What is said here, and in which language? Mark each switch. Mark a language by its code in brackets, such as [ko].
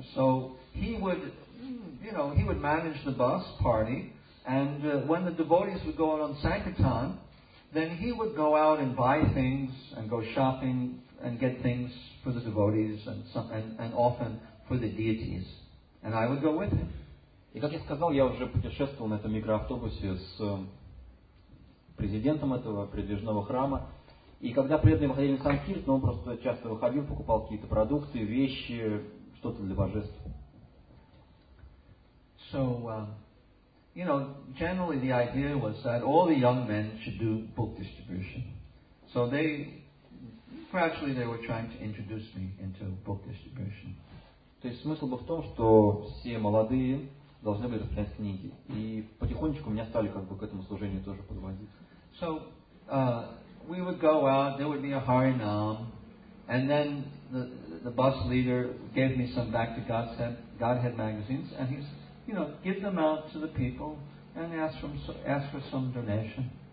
[en] So he would, he would manage the bus party. And when the devotees would go out on Sankirtan, then he would go out and buy things and go shopping and get things for the devotees and often for the deities. And I would go with him. [ru] И как я сказал, я уже путешествовал на этом микроавтобусе с президентом этого передвижного храма. И когда преданные выходили на Санкирт, он просто часто выходил, покупал какие-то продукты, вещи, что-то для божеств. [en] So, generally the idea was that all the young men should do book distribution. So they, gradually they were trying to introduce me into book distribution. [ru] То есть смысл был в том, что все молодые должны были распространять книги. И потихонечку меня стали как бы к этому служению тоже подводить. [en] So, we would go out, there would be a Harinam, and then the bus leader gave me some back to Godhead magazines, and he said, give them out to the people and ask for some donation.